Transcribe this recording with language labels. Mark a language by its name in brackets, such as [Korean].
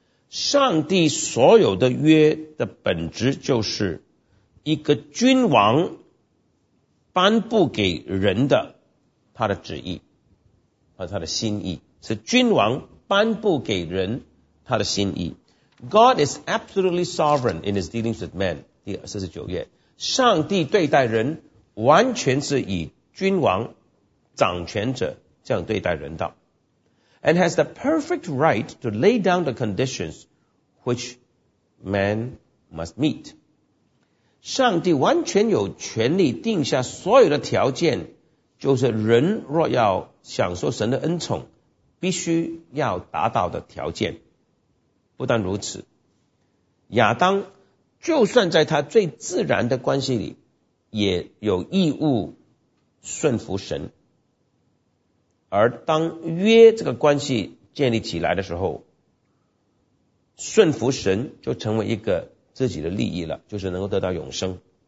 [Chinese] 上帝所有的约的本质就是一个君王颁布给人的他的旨意和他的心意，是君王颁布给人他的心意。 [English] God is absolutely sovereign in his dealings with man. [Chinese] 第49页，上帝对待人完全是以君王掌权者这样对待人的。 [English] And has the perfect right to lay down the conditions which man must meet. [Chinese] 上帝完全有权利定下所有的条件，就是人若要享受神的恩宠必须要达到的条件。不但如此，亚当就算在他最自然的关系里也有义务顺服神，而当约这个关系建立起来的时候，顺服神就成为一个自己的利益了，就是能够得到永生。